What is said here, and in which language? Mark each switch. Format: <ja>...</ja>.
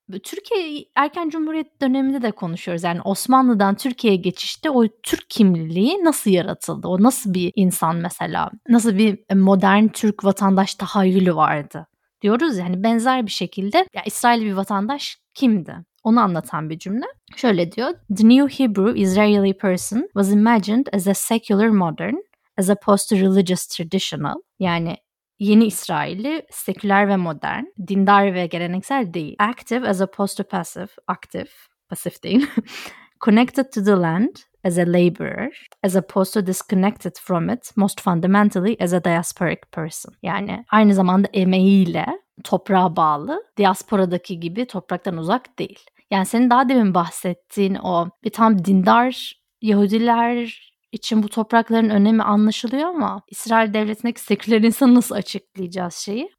<tr>Türkiye erken cumhuriyet döneminde de konuşuyoruz. Yani Osmanlı'dan Türkiye'ye geçişte o Türk kimliği nasıl yaratıldı? O nasıl bir insan mesela? Nasıl bir modern Türk vatandaş tahayyülü vardı? Diyoruz yani benzer bir şekilde ya İsrail bir vatandaş kimdi? Onu anlatan bir cümle. Şöyle diyor.</tr> <en>The new Hebrew Israeli person was imagined as a secular modern as opposed to religious traditional.</en> <tr>Yani yeni İsrail'i seküler ve modern, dindar ve geleneksel değil.</tr> <en>Active as opposed to passive, active, pasif değil. Connected to the land as a laborer, as opposed to disconnected from it, most fundamentally as a diasporic person.</en> <tr>Yani aynı zamanda emeğiyle toprağa bağlı, diasporadaki gibi topraktan uzak değil. Yani senin daha demin bahsettiğin o bir tam dindar Yahudiler için bu toprakların önemi anlaşılıyor ama İsrail devletindeki seküler insanı nasıl açıklayacağız şeyi?</tr>